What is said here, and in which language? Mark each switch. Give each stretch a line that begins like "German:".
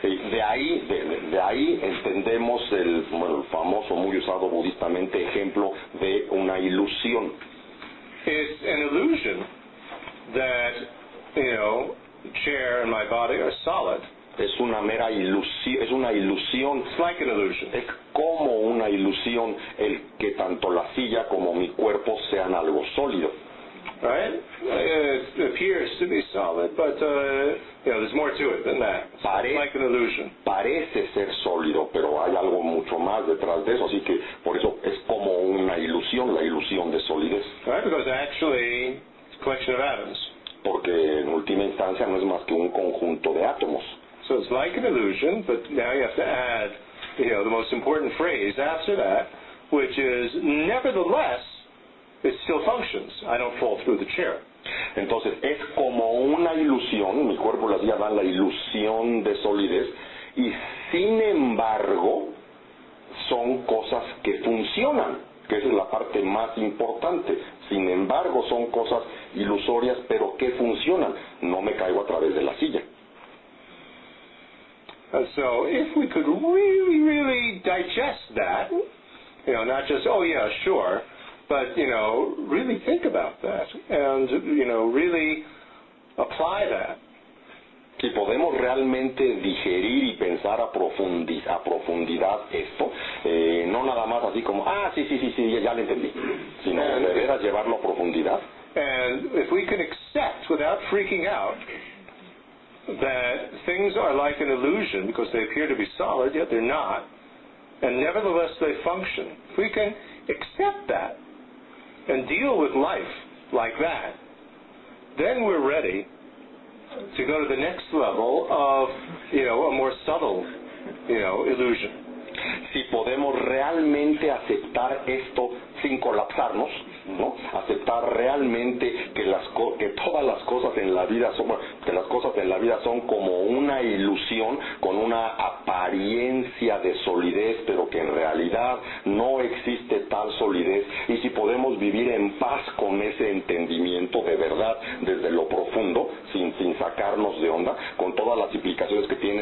Spanish: De ahí entendemos el famoso, muy usado budistamente, ejemplo de una ilusión.
English: It's an illusion that, you know, the chair and my body are solid.
Spanish: Es una mera ilusión, es una ilusión.
English: It's like an illusion.
Spanish: Es como una ilusión el que tanto la silla como mi cuerpo sean algo sólido.
English: Right? It appears to be solid, but you know, there's more to it than that. It's like an illusion.
Spanish: Parece ser sólido, pero hay algo mucho más detrás de eso, así que por eso es como una ilusión, la ilusión de solidez.
English: Right? Because actually it's a collection of atoms.
Spanish: Porque en última instancia no es más que un conjunto de átomos.
English: So it's like an illusion, but now you have to add, you know, the most important phrase after that, which is, nevertheless, it still functions. I don't fall through the chair.
Spanish: Entonces, es como una ilusión, mi cuerpo la día da la ilusión de solidez, y sin embargo, son cosas que funcionan, que esa es la parte más importante. Sin embargo, son cosas ilusorias, pero que funcionan. No me caigo a través de la silla.
English: And so, if we could really, really digest that, you know, not just, oh yeah, sure, but, you know, really think about that, and, you know, really apply that.
Spanish: Si podemos realmente digerir y pensar a profundidad esto, no nada más así como, sí, ya lo entendí, sino de veras llevarlo a profundidad.
English: And if we can accept without freaking out, that things are like an illusion because they appear to be solid, yet they're not, and nevertheless they function. If we can accept that and deal with life like that, then we're ready to go to the next level of, you know, a more subtle, you know, illusion.
Spanish: Si podemos realmente aceptar esto sin colapsarnos, ¿no? Aceptar realmente que las cosas en la vida son como una ilusión con una apariencia de solidez, pero que en realidad no existe tal solidez, y si podemos vivir en paz con ese entendimiento de verdad desde lo profundo, sin sacarnos de onda, con todas las implicaciones que